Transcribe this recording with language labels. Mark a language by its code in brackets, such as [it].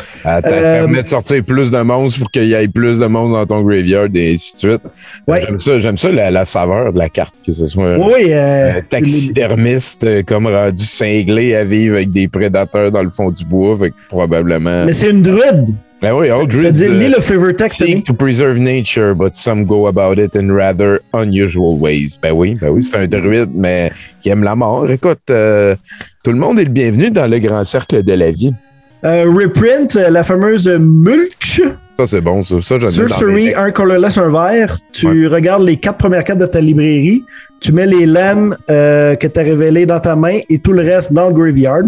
[fr] Elle permet de sortir plus de monstres pour qu'il y ait plus de monstres dans ton graveyard et ainsi de suite. Ouais. J'aime ça la saveur de la carte, que ce soit taxidermiste comme rendu cinglé à vivre avec des prédateurs dans le fond du bois, fait que probablement... Mais c'est une druide! Ben oui, old druid. Lis le favorite text. [en] Seek to preserve nature, but some go about it in rather unusual ways. [fr] Ben oui, c'est un druide, mais qui aime la mort. Écoute, tout le monde est le bienvenu dans le grand cercle de la vie. Reprint, la fameuse mulch. Ça, c'est bon, ça j'en ai dans mes decks. Un colorless, un vert. Tu regardes les 4 premières cartes de ta librairie. Tu mets les laines que tu as révélées dans ta main et tout le reste dans le graveyard.